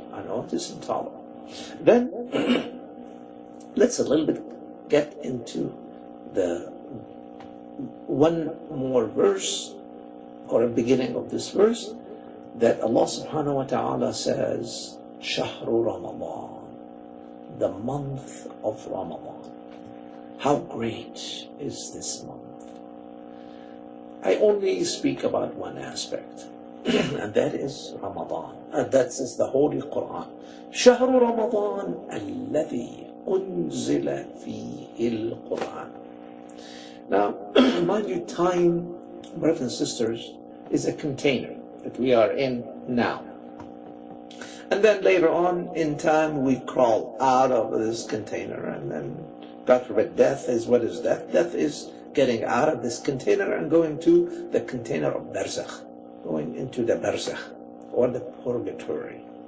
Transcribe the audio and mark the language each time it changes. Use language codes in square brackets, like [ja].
[en] I know it is intolerable. Then, let's a little bit get into the one more verse, or a beginning of this verse, that Allah subhanahu wa ta'ala says, Shahru Ramadan. The month of Ramadan. How great is this month? I only speak about one aspect, and that is Ramadan. And that is the Holy Quran. [ar] شهر رمضان الذي أنزل فيه القرآن. [en] Now, mind you, time, brothers and sisters, is a container that we are in now. And then later on in time, we crawl out of this container, and then God forbid, death is, what is death? Death is getting out of this container and going to the container of barzakh, going into the barzakh or the purgatory.